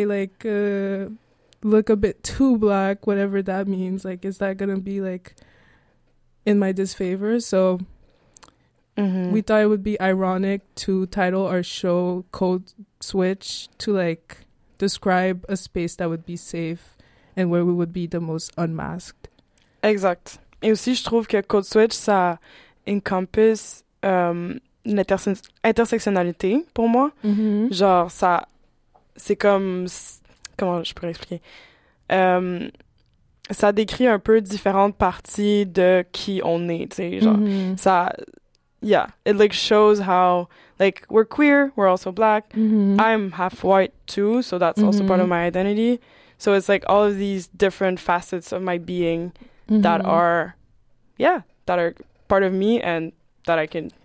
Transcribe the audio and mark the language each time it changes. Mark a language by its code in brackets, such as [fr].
[en] I like look a bit too black, whatever that means, like, is that gonna be like in my disfavor? So mm-hmm. we thought it would be ironic to title our show Code Switch to like describe a space that would be safe and where we would be the most unmasked. [fr] Exact. Et aussi, je trouve que Code Switch, ça encompasse l'intersectionnalité pour moi. Mm-hmm. Genre, ça, c'est comme... Comment je pourrais expliquer? Ça décrit un peu différentes parties de qui on est, tu sais. Genre, mm-hmm. ça... [en] Yeah, it like shows how like we're queer, we're also black. Mm-hmm. I'm half white too, so that's mm-hmm. also part of my identity. So it's like all of these different facets of my being mm-hmm. that are, yeah, that are part of me and that I can.